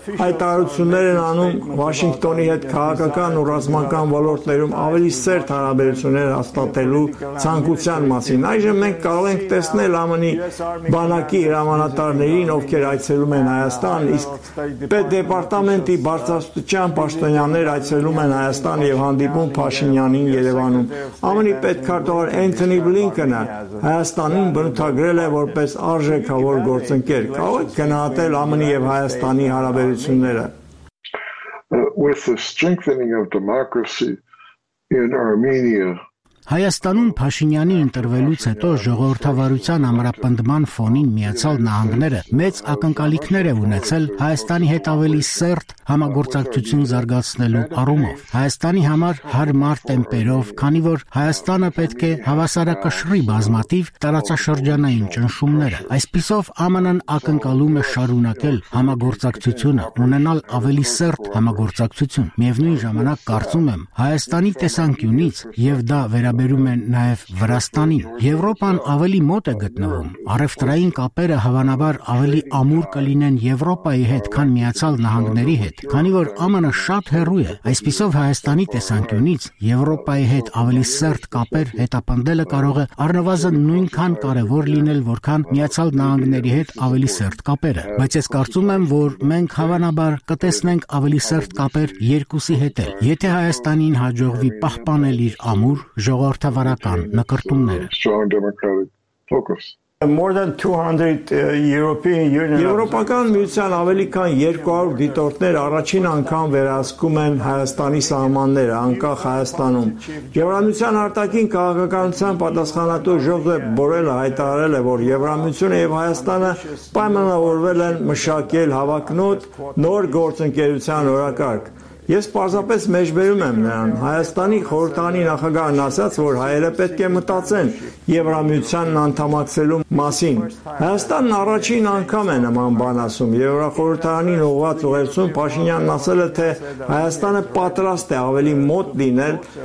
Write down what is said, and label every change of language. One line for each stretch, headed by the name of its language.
Armenian: հայտարարություններ են անում Վաշինգտոնի հետ քաղաքական ու ռազմական ոլորտներում ավելի սերտ հարաբերություններ հաստատելու ցանկության մասին։ Այժմ մենք կարող ենք տեսնել ԱՄՆ-ի բանակի հրամանատարներին, ովքեր այցելում են Հայաստան, իսկ ՊԵ դեպարտամենտի բարձրաստիճան պաշտոնյաներ այցելում են Հայաստան եւ դիպուն Փաշինյանին Երևանում։ ԱՄՆ-ի պետքարտուհի Էնթոնի Բլինքենը Հայաստանին բնութագրել է որպես արժեքավոր գործընկեր, կարող է գնահատել ԱՄՆ-ի եւ Հայաստանի հարաբերությունները։
English: With the strengthening of democracy in Armenia,
Armenian: Հայաստանում Փաշինյանի ընտրվելուց հետո ժողովրդավարության ամրապնդման ֆոնին Միացյալ Նահանգները մեծ ակնկալիքներ է ունեցել Հայաստանի հետ ավելի սերտ համագործակցություն զարգացնելու առումով։ Հայաստանի համար հարմար տեմպերով, քանի որ Հայաստանը պետք է հավասարակշռի բազմաթիվ տարածաշրջանային ճնշումները։ Այսպիսով ԱՄՆ-ն ակնկալում է շարունակել համագործակցությունը, ունենալ ավելի սերտ համագործակցություն։ Միևնույն ժամանակ կարծում եմ, Հայաստանի տեսանկյունից եւ դա վերաբերում են նաև Վրաստանին, Եվրոպան ավելի մոտ է գտնվում, առևտրային կապերը հավանաբար ավելի ամուր կլինեն Եվրոպայի հետ, քան Միացյալ Նահանգների հետ, քանի որ ԱՄՆ-ը շատ հեռու է։ Այսպիսով Հայաստանի տեսանկյունից Եվրոպայի հետ ավելի սերտ կապեր հետապնդելը կարող է առնվազն նույնքան կարևոր լինել, որքան Միացյալ Նահանգների հետ ավելի սերտ կապերը, բայց ես կարծում եմ, որ մենք հավանաբար կտեսնենք ավելի սերտ կապեր երկուսի հետ, եթե Հայաստանին հաջողվի պահպանել իր ամուր ժողովրդավարական նկարտումները։
English: Strong democratic focus. More than 200 European Union.
Armenian: Եվրոպական միության ավելի քան 200 դիտորդներ առաջին անգամ վերահսկում են Հայաստանի սահմանները, անկախ Հայաստանում։ Եվրամիության արտաքին քաղաքականության պատասխանատու Ժոզեփ Բորելը հայտարարել է, որ Եվրամիությունը եւ Հայաստանը պայմանավորվել են մշակել հավակնոտ նոր գործընկերության օրակարգ։ Ես պարզապես մեջբերում եմ նրան։ Հայաստանի խորհրդանի նախագահն ասաց, որ հայերը պետք է մտածեն Եվրամիությանն անդամակցելու մասին։ Հայաստանն առաջին անգամ է նման բան ասում։ Եվրոխորհրդանին ուղղված ուղերձում Փաշինյանն ասել է, թե Հայաստանը պատրաստ է ավելի մոտ լինել